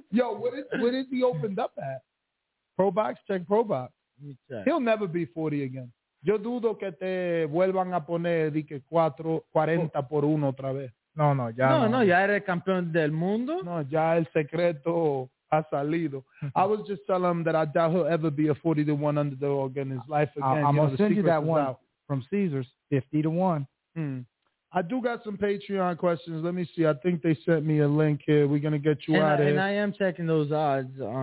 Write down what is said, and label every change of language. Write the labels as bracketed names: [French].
[English] Yo, what is he opened up at? Probox, check Probox. He'll never be 40 again. [Spanish] Yo dudo que te vuelvan a poner de que 40 por uno otra vez. No, ya eres campeón del mundo. No, ya el secreto ha salido. [English] I was just telling him that I doubt he'll ever be a 40-1 underdog in his life again. I'm gonna send you that one from Caesars, 50-1. I do got some Patreon questions. Let me see. I think they sent me a link here. We're gonna get you out of here. And I am checking those odds.